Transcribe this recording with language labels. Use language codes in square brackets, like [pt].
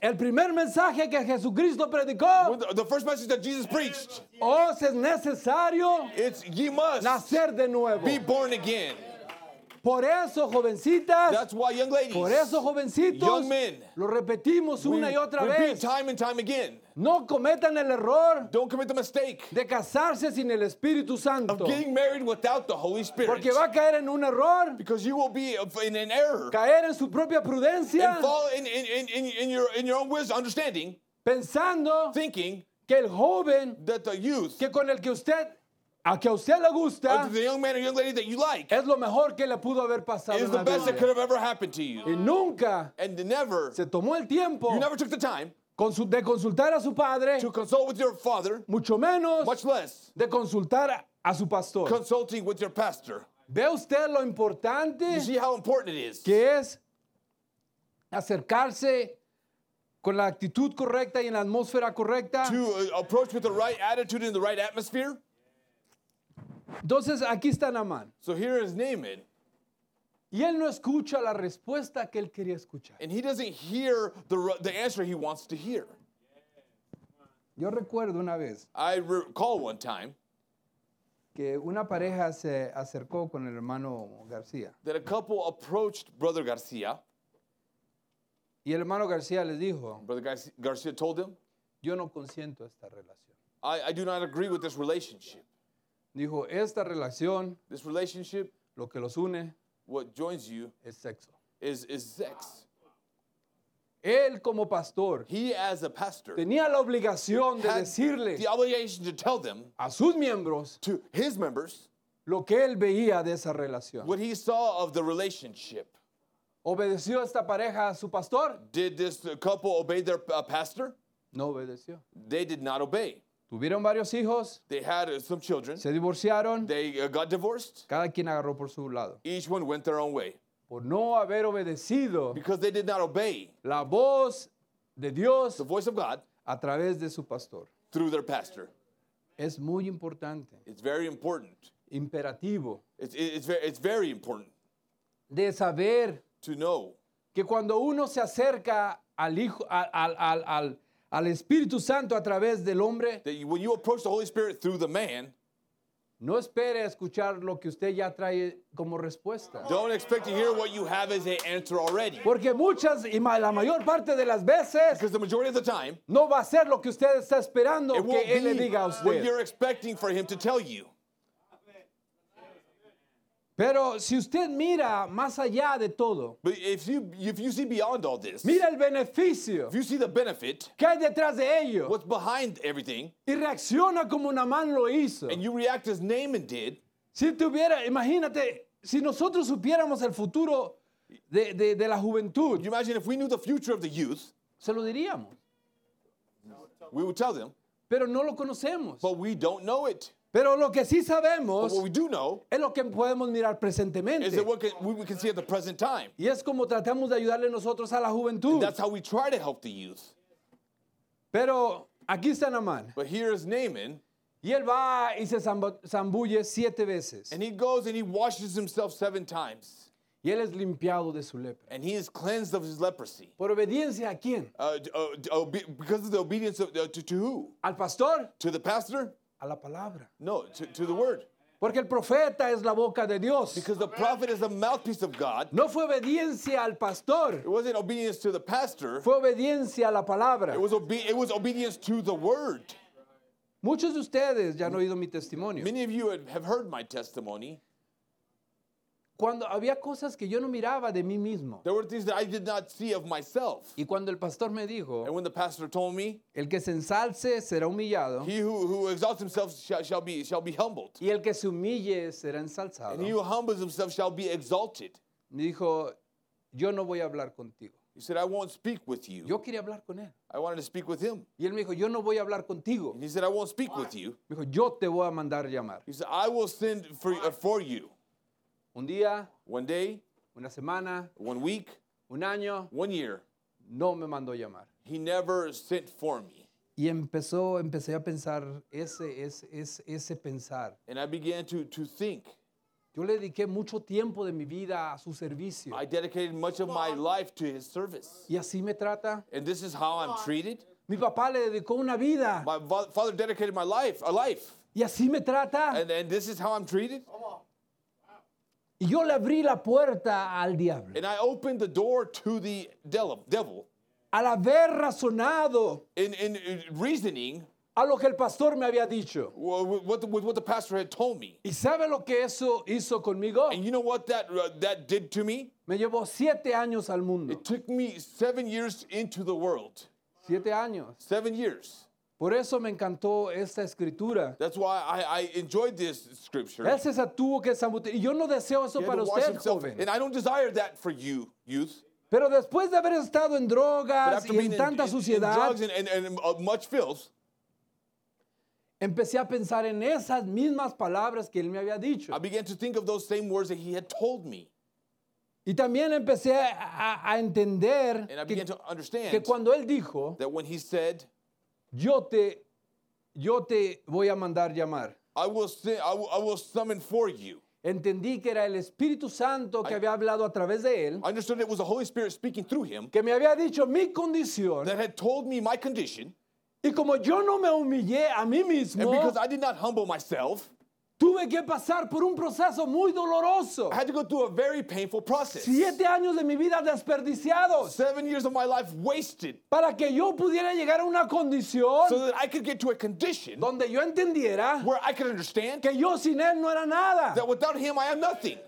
[es] El primer mensaje que Jesucristo predicó. [en] The first message that Jesus preached. [es] Os es necesario. [en] It's ye must. [es] Nacer de nuevo. [en] Be born again. [es] Por eso, jovencitas. [en] That's why young ladies. [es] Por eso, jovencitos. [en] Young men. [es] Lo repetimos una y otra [en] repeat [es] vez. [en] Repeat time and time again. [es] No cometan el error [en] Don't commit the mistake [es] de casarse sin el Espíritu Santo. [en] Of getting married without the Holy Spirit. [es] Porque va a caer en un error. [en] Because you will be in an error. [es] Caer en su propia prudencia. [en] And fall in your own wisdom, understanding. [es] Pensando [en] thinking [es] que el joven [en] that the youth [es] que con el que usted a que usted le gusta [en] the young man or young lady that you like [es] es lo mejor que le pudo haber pasado [en] is [es] en la [en] the best [es] vida. [en] That could have ever happened to you. [es] Y nunca [en] and never [es] se tomó el tiempo [en] you never took the time [es] de consultar a su padre, [en] to consult with your father, [es] mucho menos [en] much less, [es] de consultar a su pastor. [en] Consulting with your pastor. [es] ¿Ve usted lo importante [en] you see how important it is. [es] Que es acercarse con la actitud correcta y en la atmósfera correcta? [en] To approach with the right attitude in the right atmosphere. [es] Entonces, aquí está Naaman. [en] So here is Naaman. [es] Y él no escucha la respuesta que él quería escuchar. [en] And he doesn't hear the answer he wants to hear. [es] Yo recuerdo una vez. [en] I recall one time. [es] Que una pareja se acercó con el hermano García. [en] That a couple approached Brother García. [es] Y el hermano García les dijo. [en] Brother García told them. [es] Yo no consiento esta relación. [en] I do not agree with this relationship. [es] Dijo, esta relación. [en] This relationship. [es] Lo que los une. [en] What joins you [es] es sexo. [en] Is sex. [es] Él como pastor, [en] he as a pastor [es] tenía la obligación de decirle [en] the obligation to tell them [es] a sus miembros, [en] to his members [es] lo que él veía de esa relación. [en] What he saw of the relationship. [es] ¿Obedeció esta pareja a su pastor? [en] Did this couple obey their pastor? [es] No obedeció. [en] They did not obey. [es] Tuvieron varios hijos. [en] They had some children. [es] Se divorciaron. [en] They got divorced. [es] Cada quien agarró por su lado. [en] Each one went their own way. [es] Por no haber obedecido. [en] Because they did not obey. [es] La voz de Dios. [en] The voice of God. [es] A través de su pastor. [en] Through their pastor. [es] Es muy importante. [en] It's very important. [es] Imperativo. [en] It's very important. [es] De saber. [en] To know. [es] Que cuando uno se acerca al hijo, al al Espíritu Santo a través del hombre. [en] When you approach the Holy Spirit through the man, [es] no espere escuchar lo que usted ya trae como respuesta. [en] Don't expect to hear what you have as an answer already. [es] Porque muchas y la mayor parte de las veces, [en] because the majority of the time, [es] no va a ser lo que usted está esperando que él le diga a usted. [en] What you're expecting for him to tell you. [es] Pero si usted mira más allá de todo. [en] But if you see beyond all this. [es] Mira el beneficio. [en] If you see the benefit. [es] ¿Qué hay detrás de ello? [en] What's behind everything. [es] Y reacciona como Naaman lo hizo. [en] And you react as Naaman did. [es] Si tuviera, imagínate, si nosotros supiéramos el futuro de la juventud. [en] You imagine if we knew the future of the youth. [es] Se lo diríamos. [en] We would tell them. [es] Pero no lo conocemos. [en] But we don't know it. [es] Pero lo que sí sabemos [en] what we do know [es] es lo que podemos mirar presentemente. [en] Is that what we can see at the present time. [es] Y es como tratamos de ayudarle nosotros a la juventud. [en] And that's how we try to help the youth. [es] Pero aquí está Naaman. [en] But here is Naaman. [es] Y él va y se zambulle siete veces. [en] And he goes and he washes himself seven times. [es] Y él es limpiado de su lepra. [en] And he is cleansed of his leprosy. [es] ¿Por obediencia a quién? [en] Because of the obedience of, to who? [es] ¿Al pastor? [en] To the pastor? [es] A la palabra. [en] No, to the word. [es] Porque el profeta es la boca de Dios. [en] Because the prophet is the mouthpiece of God. [es] No fue obediencia al pastor. [en] It wasn't obedience to the pastor. [es] Fue obediencia a la palabra. [en] It was obedience to the word. [es] Muchos de ustedes ya han oído mi testimonio. [en] Many of you have heard my testimony. [es] cuando había cosas que yo no miraba de mí mismo. [en] There were things that I did not see of myself. [es] Y cuando el pastor me dijo, [en] and when the pastor told me, [es] el que se ensalce será humillado. [en] He who exalts himself shall be humbled. [es] Y el que se humille será ensalzado. [en] And he who humbles himself shall be exalted. [es] Me dijo, yo no voy a hablar contigo. [en] He said, I won't speak with you. [es] Yo quería hablar con él. [en] I wanted to speak with him. [es] Y él me dijo, yo no voy a hablar contigo. [en] And he said, I won't speak with you. [es] Me dijo, yo te voy a mandar llamar. [en] He said, I will send for you. [es] Un día. [en] One day. [es] Una semana. [en] One week. [es] Un año. [en] One year. [es] No me mandó llamar. [en] He never sent for me. [es] Y empecé a pensar ese pensar. [en] And I began to think. [es] Yo le dediqué mucho tiempo de mi vida a su servicio. [en] I dedicated much of my life to his service. [es] Y así me trata. [en] And this is how I'm treated. [es] Mi papá le dedicó una vida. [en] My father dedicated my life, a life. [es] Y así me trata. [en] And this is how I'm treated. [es] Y yo le abrí la puerta al diablo. [en] And I opened the door to the devil. [es] Al haber razonado. [en] In reasoning. [es] A lo que el pastor me había dicho. [en] What the pastor had told me. [es] ¿Y sabe lo que eso hizo conmigo? [en] And you know what that did to me? [es] Me llevó 7 años al mundo. [en] It took me 7 years into the world. [es] 7 años. [en] 7 years. [es] Por eso me encantó esta escritura. [en] That's why I enjoyed this scripture. [es] Él se tuvo que sabotear. Y yo no deseo eso para usted, joven. [en] And I don't desire that for you, youth. [es] Pero después de haber estado en drogas y en tanta suciedad. [en] In drugs and much filth. [es] Empecé a pensar en esas mismas palabras que él me había dicho. [en] I began to think of those same words that he had told me. [es] Y también empecé a entender que cuando él dijo, [en] that when he said, [es] yo te voy a mandar llamar. [en] I will summon for you. [es] Entendí que era el Espíritu Santo que había hablado a través de él. [en] I understood it was the Holy Spirit speaking through him. [es] Que me había dicho mi condición. [en] That had told me my condition. [es] Y como yo no me humillé a mí mismo, [en] and because I did not humble myself, [es] tuve que pasar por un proceso muy doloroso. [en] I had to go through a very painful process. [es] 7 años de mi vida desperdiciados. [en] 7 years of my life wasted. [es] Para que yo pudiera llegar a una condición. [en] So that I could get to a condition. [es] Donde yo entendiera. [en] Where I could understand. [es] Que yo sin él no era nada. [en] That without him I am nothing.